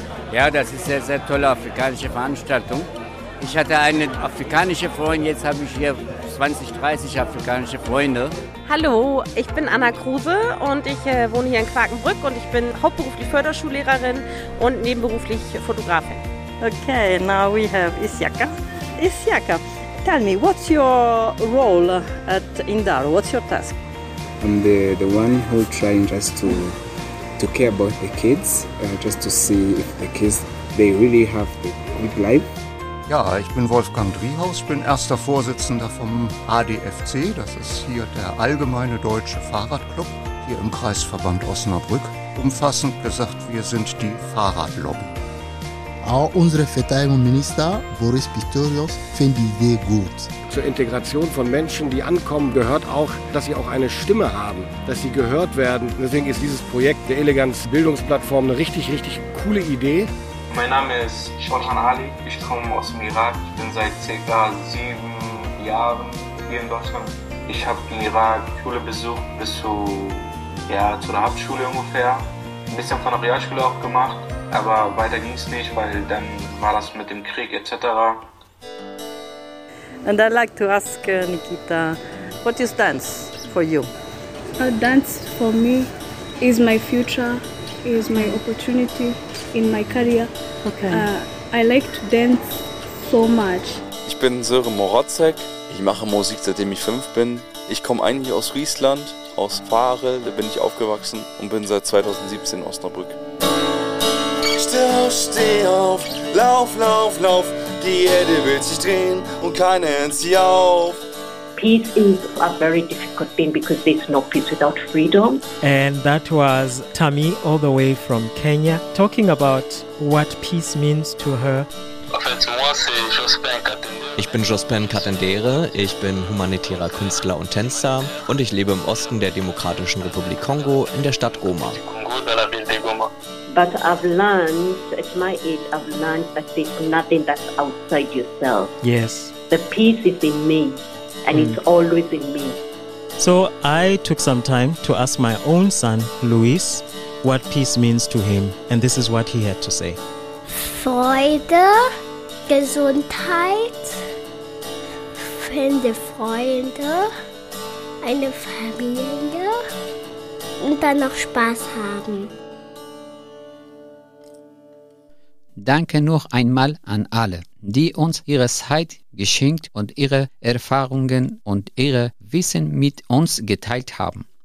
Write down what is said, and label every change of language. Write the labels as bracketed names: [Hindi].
[German] Ja, das ist eine sehr tolle afrikanische Veranstaltung. Ich hatte eine afrikanische Freundin, jetzt habe ich hier 20, 30 afrikanische Freunde. Hallo, ich bin Anna Kruse und ich wohne hier in Quakenbrück und ich bin hauptberuflich Förderschullehrerin und nebenberuflich Fotografin. [English] Okay, now we have Isiaka. Isiaka, tell me, what's your role at Indar? What's your task? I'm the one who trying just to care about the kids, just to see if the kids, they really have the good life. [German] Ja, ich bin Wolfgang Driehaus, bin erster Vorsitzender vom ADFC, das ist hier der Allgemeine Deutsche Fahrradclub, hier im Kreisverband Osnabrück. Umfassend gesagt, wir sind die Fahrradlobby. Auch unser Verteidigungsminister Boris Pistorius findet die Idee gut. Zur Integration von Menschen, die ankommen, gehört auch, dass sie auch eine Stimme haben, dass sie gehört werden. Deswegen ist dieses Projekt der Eleganz Bildungsplattform eine richtig, richtig coole Idee. Mein Name ist Shortan Ali, ich komme aus dem Irak, ich bin seit ca. 7 Jahren hier in Deutschland. Ich habe im Irak Schule besucht bis zu der Hauptschule ungefähr. Ein bisschen von der Realschule auch gemacht, aber weiter ging es nicht, weil dann war das mit dem Krieg etc. [English] And I'd like to ask Nikita, what is dance for you? A dance for me is my future, is my opportunity in my career. Okay. I like to dance so much. [German] Ich bin Sören Morozek. Ich mache Musik, seitdem ich 5 bin. Ich komme eigentlich aus Friesland, aus Varel, da bin ich aufgewachsen und bin seit 2017 in Osnabrück. Steh auf, lauf, lauf, lauf, die Erde will sich drehen und keiner hält sie auf. [English] Peace is a very difficult thing because there's no peace without freedom. And that was Tammy all the way from Kenya talking about what peace means to her. [German] Ich bin Jospin Katendere, ich bin humanitärer Künstler und Tänzer und ich lebe im Osten der Demokratischen Republik Kongo in der Stadt Goma. [English] But I've learned, at my age, I've learned that there's nothing that's outside yourself. Yes. The peace is in me and it's always in me. So I took some time to ask my own son, Luis, what peace means to him, and this is what he had to say. [German] Freude, Gesundheit, finde Freunde, eine Familie und dann noch Spaß haben. Danke noch einmal an alle, die uns ihre Zeit geschenkt und ihre Erfahrungen und ihre Wissen mit uns geteilt haben.